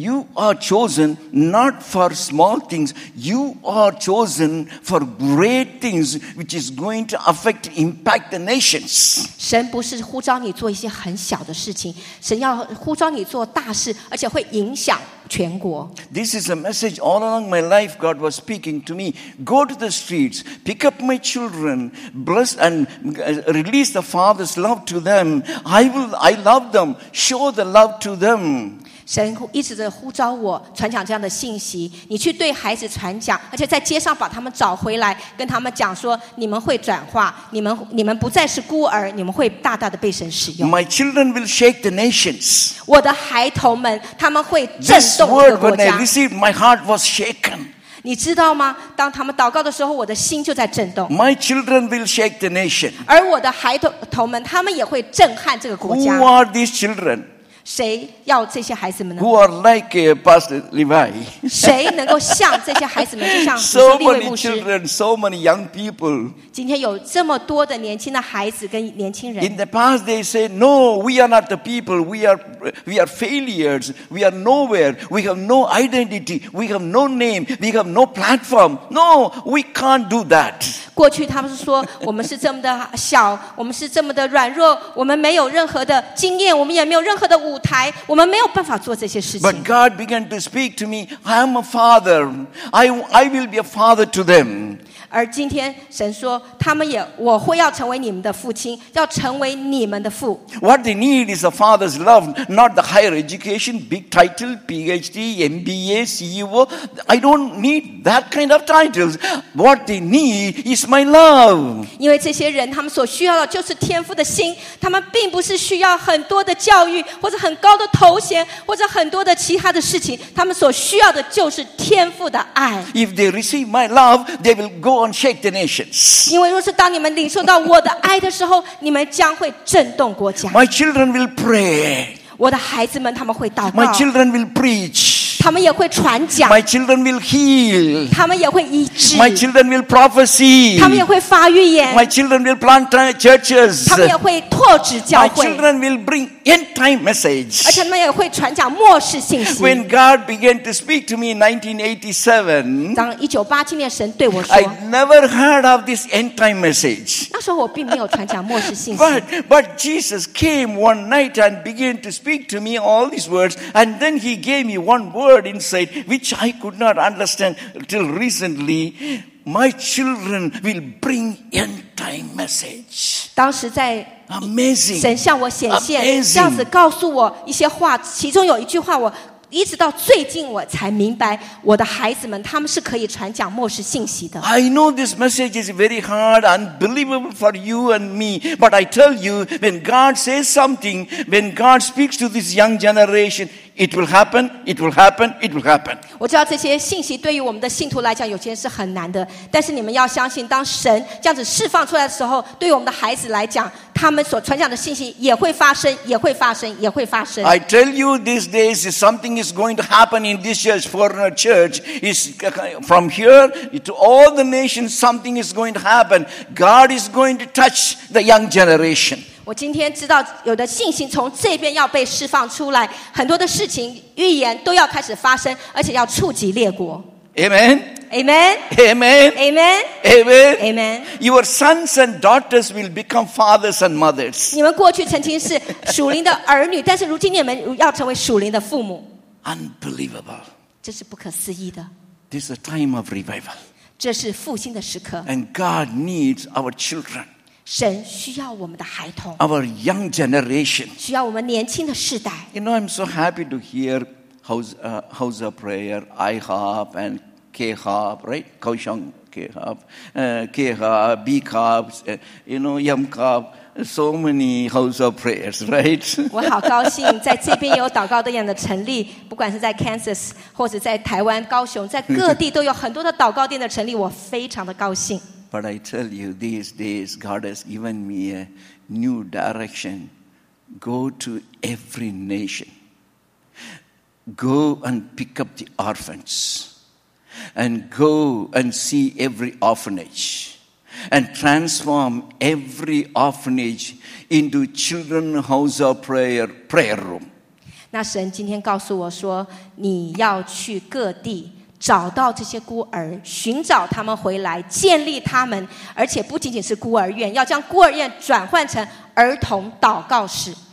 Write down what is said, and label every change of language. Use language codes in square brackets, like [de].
[en] You are chosen not for small things You are chosen for great things which is going to affect impact the nations [zh] 神不是呼召你做一些很小的事情神要呼召你做大事而且会影响全国 [en] This is a message all along my life God was speaking to me. Go to the streets, pick up my children, bless and release the Father's love to them. I love them, show the love to them. [zh] 神一直在呼召我传讲这样的信息，你去对孩子传讲，而且在街上把他们找回来，跟他们讲说你们会转化，你们不再是孤儿，你们会大大的被神使用。 [en] My children will shake the nations. [zh] 我的孩童们他们会震动这个国家。 [en] This word when I received my heart was shaken. [zh] 你知道吗，当他们祷告的时候我的心就在震动。 [en] My children will shake the nation. [zh] 而我的孩童们他们也会震撼这个国家。 [en] Who are these children? [zh] 谁要这些孩子们呢？ [en] Who are like Pastor Levi? [zh] 谁能够像这些孩子们，就像利伟牧师。 [en] So many children, so many young people. [zh] 今天有这么多的年轻的孩子跟年轻人。 [en] In the past, they say, "No, we are not the people. We are failures. We are nowhere. We have no identity. We have no name. We have no platform. No, we can't do that." [zh] 过去他们是说我们是这么的小，我们是这么的软弱，我们没有任何的经验，我们也没有任何的。舞台，我们没有办法做这些事情。 [en] But God began to speak to me. I am a father. I will be a father to them. [zh] 而今天神说，他们也我会要成为你们的父亲，要成为你们的父。 [en] What they need is a father's love, not the higher education, big title, PhD, MBA, CEO. I don't need that kind of titles. What they need is my love. [zh] 因为这些人他们所需要的就是天父的心，他们并不是需要很多的教育。或者很高的头衔，或者很多的其他的事情，他们所需要的就是天父的爱。 [en] If they receive my love, they will go and shake the nations. [zh] 因为若是当你们领受到我的爱的时候，你们将会震动国家。 [en] My children will pray. [zh] 我的孩子们他们会祷告。 [en] My children will preach. [zh] 他们也会传讲。 [en] My children will heal. [zh] 他们也会医治。 [en] My children will prophesy. [zh] 他们也会发预言。 [en] My children will plant churches. [zh] 他们也会拓植教会。 [en] My children will bring. End time message. [zh] 而且他们也会传讲末世信息。 [en] When God began to speak to me in 1987, [zh] 当1987年神对我说 [en] ，I never heard of this end time message. [zh] 那时候我并没有传讲末世信息。 [en] But Jesus came one night and began to speak to me all these words, and then he gave me one word inside which I could not understand till recently. My children will bring end time message. [zh] 当时在 [en] Amazing, [zh] 神向我显现，这样子告诉我一些话，其中有一句话，我一直到最近我才明白，我的孩子们他们是可以传讲末世信息的。 [en] I know this message is very hard, unbelievable for you and me, but I tell you, when God says something, when God speaks to this young generation, it will happen, it will happen, it will happen. [zh] 我知道这些信息对于我们的信徒来讲，有些是很难的，但是你们要相信，当神这样子释放出来的时候，对于我们的孩子来讲。他们所传讲的信息也会发生，也会发生，也会发生。 [en] I tell you, these days something is going to happen in this year's foreigner church. Is from here to all the nations, something is going to happen. God is going to touch the young generation. [zh] 我今天知道有的信心从这边要被释放出来，很多的事情预言都要开始发生，而且要触及列国。 [en] Amen. Amen. Amen. Amen. Amen. Amen. Your sons and daughters will become fathers and mothers. [zh] 你们过去曾经是属灵的儿女，但是如今你们要成为属灵的父母。 [en] Unbelievable. [zh] 这是不可思议的。 [en] This is a time of revival. [zh] 这是复兴的时刻。 [en] And God needs our children. [zh] 神需要我们的孩童。 [en] Our young generation. [zh] 需要我们年轻的世代。 [en] You know, I'm so happy to hear. House of prayer, IHOP and KHOP, right? Kaohsiung KHOP, KHOP, BKHOP, you know, YAMKHOP, so many house of prayers, right? [zh] 我好高兴在这边有祷告队的成立，不管是在 Kansas 或者在台湾、高雄，在各地都有很多的祷告队的成立，我非常的高兴。 [en] But I tell you, these days God has given me a new direction. Go to every nation. Go and pick up the orphans, and go and see every orphanage, and transform every orphanage into children house of prayer room. [zh] 那神今天告诉我说，你要去各地找到这些孤儿，寻找他们回来，建立他们，而且不仅仅是孤儿院，要将孤儿院转换成儿童祷告室。